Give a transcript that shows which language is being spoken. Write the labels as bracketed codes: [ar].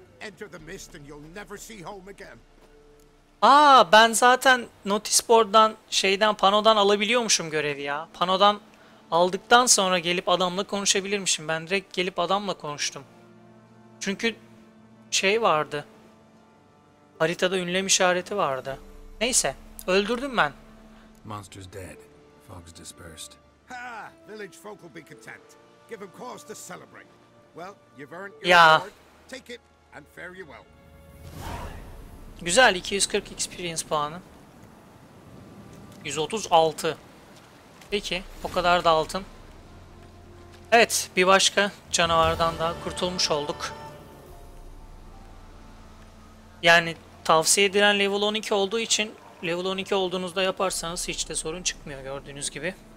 [en] Enter the mist and you'll never see home again. [tr] Aa, ben zaten notice board'dan şeyden panodan alabiliyormuşum görevi ya. Panodan aldıktan sonra gelip adamla konuşabilirmişim. Ben direkt gelip adamla konuştum. Çünkü şey vardı. Haritada ünlem işareti vardı. Neyse, öldürdüm ben. [en] Monster's dead. Fog's dispersed. Ha, village folk will be content. Give him cause to celebrate. Well, you've earned your [tr] ya. [en] Reward. Take it and fare you well. [tr] Güzel, 240 experience puanı. 136. Peki, o kadar da altın. Evet, bir başka canavardan daha kurtulmuş olduk. Yani tavsiye edilen level 12 olduğu için, level 12 olduğunuzda yaparsanız hiç de sorun çıkmıyor gördüğünüz gibi.